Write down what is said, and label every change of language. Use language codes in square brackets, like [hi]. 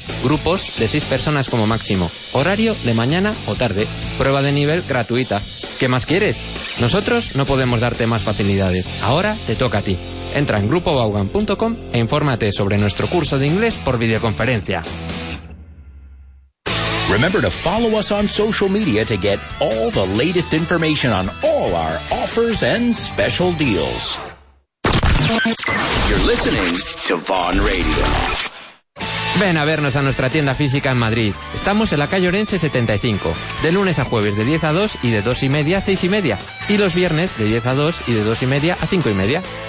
[es] Grupos de 6 personas como máximo. Horario de mañana o tarde. Prueba de nivel gratuita. ¿Qué más quieres? Nosotros no podemos darte más facilidades. Ahora te toca a ti. Entra en grupovaughan.com e infórmate sobre nuestro curso de inglés por videoconferencia. [en] Remember to follow us on social media to get all the latest information on all our offers and special deals. You're listening to Vaughn Radio. [es] Ven a vernos a nuestra tienda física en Madrid. Estamos en la calle Orense 75, de lunes a jueves de 10 a 2 y de 2 y media a 6 y media, y los viernes de 10 a 2 y de 2 y media a 5 y media.